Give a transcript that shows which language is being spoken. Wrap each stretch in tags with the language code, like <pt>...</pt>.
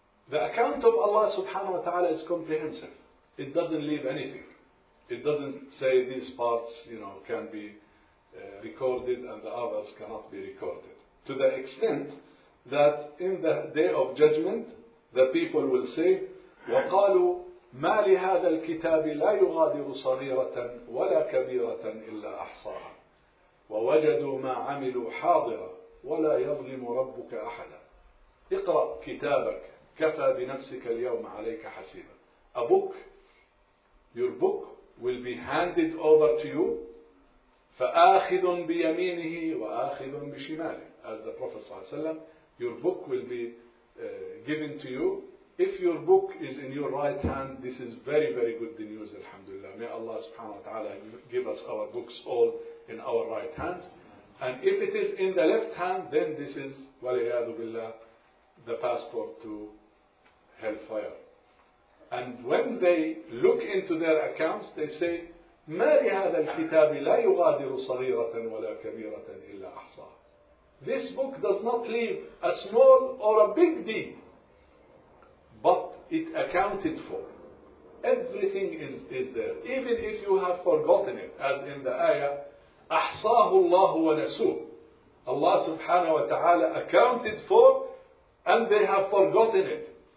<en>The account of Allah subhanahu wa ta'ala is comprehensive. It doesn't leave anything. It doesn't say these parts, you know, can be recorded and the others cannot be recorded. To the extent that in the day of judgment, the people will say,</en> <ar>وَقَالُوا مَا لِهَذَا الْكِتَابِ لَا يُغَادِرُ صَغِيرَةً وَلَا كَبِيرَةً إِلَّا أَحْصَاهَا وَوَجَدُوا مَا عَمِلُوا حَاضِرًا وَلَا يَظْلِمُ رَبُّكَ أَحَدًا اقرأ كتابك كَفَى بِنَفْسِكَ الْيَوْمَ عَلَيْكَ حَسِيبًا.</ar> <en>A book, your book will be handed over to you.</en> <ar>فَآخِذٌ بِيَمِينِهِ وَآخِذٌ بِشِمَالِهِ.</ar> <en>As the Prophet</en> <ar>صلى الله عليه وسلم,</ar> <en>your book will be given to you. If your book is in your right hand, this is very, very good news, alhamdulillah. May Allah subhanahu wa ta'ala give us our books all in our right hands. And if it is in the left hand, then this is, waliyadu billah, the passport to hellfire. And when they look into their accounts, they say,</en> <ar>مَا لِهَذَا الْكِتَابِ لَا يُغَادِرُ صَغِيرَةً وَلَا كَبِيرَةً إِلَّا أَحْصَاهَا.</ar> <en>This book does not leave a small or a big deed, but it accounted for. Everything is there. Even if you have forgotten it, as in the ayah,</en> <ar>أَحْصَاهُ اللَّهُ وَنَسُوهُ.</ar> <en>Allah subhanahu wa ta'ala accounted for, and they have forgotten it.</en>